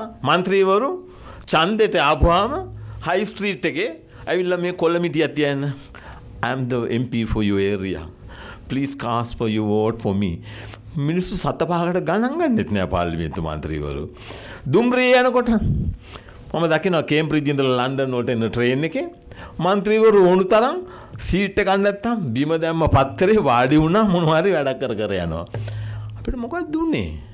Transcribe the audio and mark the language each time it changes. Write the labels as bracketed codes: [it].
[si] මන්ත්‍රීවරු ඡන්දෙට ආපුවාම හයි ස්ට්‍රීට් එකේ ඇවිල්ලා මේ කොළමිටියක් තියන්න. [en] I'm the MP for your area. Please cast for your vote for me. [si] මිනිස්සු සත පහකට ගණන් ගන්නෙත් නෑ පාර්ලිමේන්තු මන්ත්‍රීවරු. දුම්රිය යනකොට මම දකිනවා කේම්බ්‍රිජ් ඉඳලා ලන්ඩන් වලට එන ට්‍රේන් එකේ මන්ත්‍රීවරු ඕනු තරම් සීට් එකක් නැත්තම් බිම දැම්ම පත්තරේ වාඩි වුණා මොනවාරි වැඩක් කර කර යනවා. අපිට මොකක් දුන්නේ?